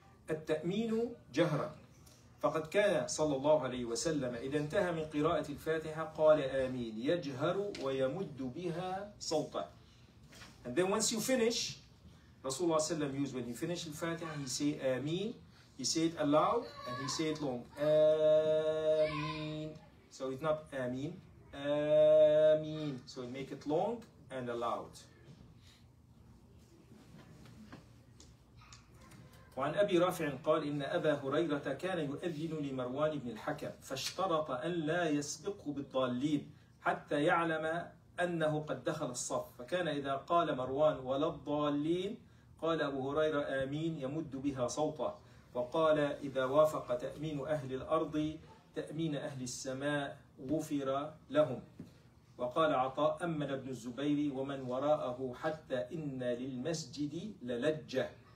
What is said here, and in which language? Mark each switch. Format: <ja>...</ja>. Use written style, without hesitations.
<ar>التأمين جهرا فقد كان صلى الله عليه وسلم إذا انتهى من قراءة الفاتحة قال آمين يجهر ويمد بها صوته.</ar> <en>And then once you finish, Rasulullah Sallam used when he finished Al-Fatiha, he say Ameen, he say it aloud, and he say it long. Ameen. So it's not Ameen. Ameen. So he make it long and aloud.</en> <ar>وعن أبي رافع قال إن أبا هريرة كان يؤذن لمروان بن الحكم فاشترط أن لا يسبقه بالضالين حتى يعلم أنه قد دخل الصف فكان إذا قال مروان ولا الضالين قال أبو هريرة آمين يمد بها صوته وقال إذا وافق تأمين أهل الأرض تأمين أهل السماء غفر لهم وقال عطاء أمن ابن الزبير ومن وراءه حتى إن للمسجد للجة.</ar>